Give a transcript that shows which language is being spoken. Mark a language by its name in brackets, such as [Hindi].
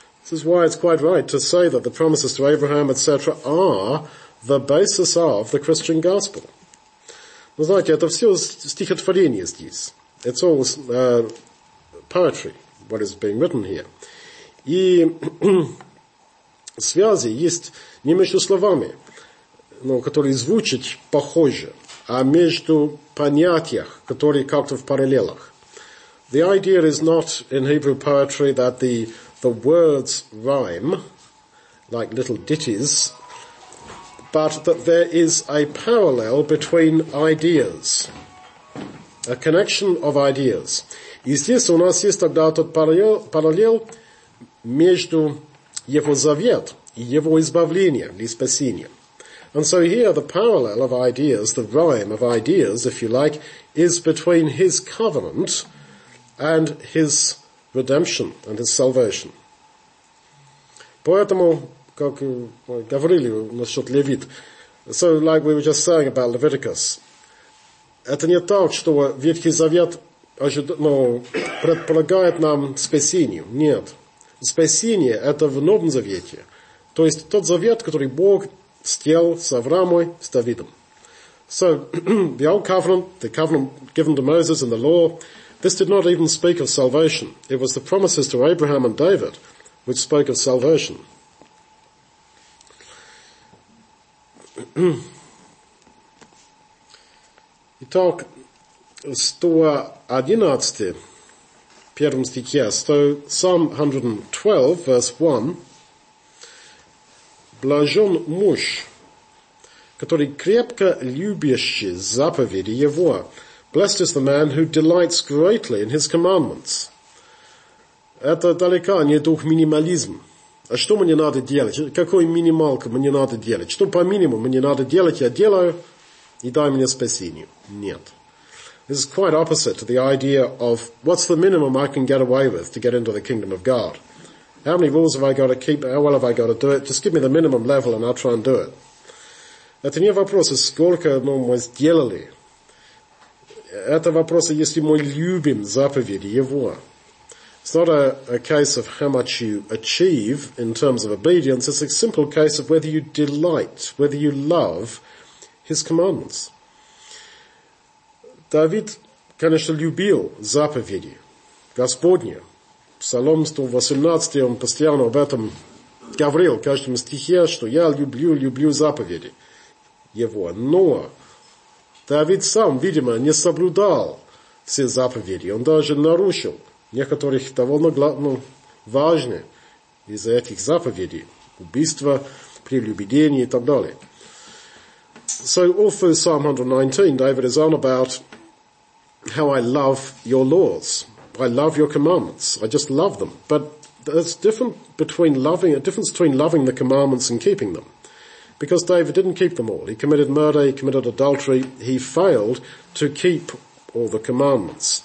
[English] This is why it's quite right to say that the promises to Abraham, etc., are the basis of the Christian gospel. [Russian] Но знаете, это все стихотворение здесь. [English] It's all poetry, what is being written here. [Russian] И связи есть не между словами, но которые звучат похоже, а между понятиях, которые как-то в параллелях. [English] The idea is not in Hebrew poetry that the words rhyme, like little ditties, but that there is a parallel between ideas, a connection of ideas. [Russian] И здесь у нас есть тогда тот параллел между его завет и его избавление, или спасение. [English] And so here the parallel of ideas, the rhyme of ideas, if you like, is between his covenant and his redemption and his salvation. [Russian] Поэтому, как говорили насчет Левит, [English] so like we were just saying about Leviticus, [Russian] это не так, что Ветхий Завет предполагает нам спасение. Нет. Спасение – это в Новом Завете. То есть тот завет, который Бог сделал с Авраамой, с Давидом. [English] So, the old covenant, the covenant given to Moses and the law, this did not even speak of salvation. It was the promises to Abraham and David which spoke of salvation. [Russian] Итак, 111, первом стихе, [English] Psalm 112, verse 1, [Russian] блажен муж, который крепко любящий заповеди его. [English] Blessed is the man who delights greatly in his commandments. [Russian] Это далеко не дух минимализм. А что мне надо делать? Какой минималку мне надо делать? Что по минимуму мне надо делать? Я делаю, и дай мне спасение. Нет. [English] This is quite opposite to the idea of what's the minimum I can get away with to get into the kingdom of God. How many rules have I got to keep? How well have I got to do it? Just give me the minimum level and I'll try and do it. [Russian] Это не вопрос, сколько мы сделали. Это вопрос, если мы любим заповеди Его. [English] It's not a case of how much you achieve in terms of obedience. It's a simple case of whether you delight, whether you love His commandments. [Russian] Давид, конечно, любил заповеди Господни. Псалом 118, он постоянно об этом говорил, в каждом стихе, что я люблю заповеди его. Но Давид сам, видимо, не соблюдал все заповеди. Он даже нарушил некоторых довольно важных из этих заповедей. Убийство, прелюбедение и так далее. [English] So, all through Psalm 119, David is on about how I love your laws. I love your commandments. I just love them. But there's a difference between loving the commandments and keeping them. Because David didn't keep them all. He committed murder, he committed adultery, he failed to keep all the commandments.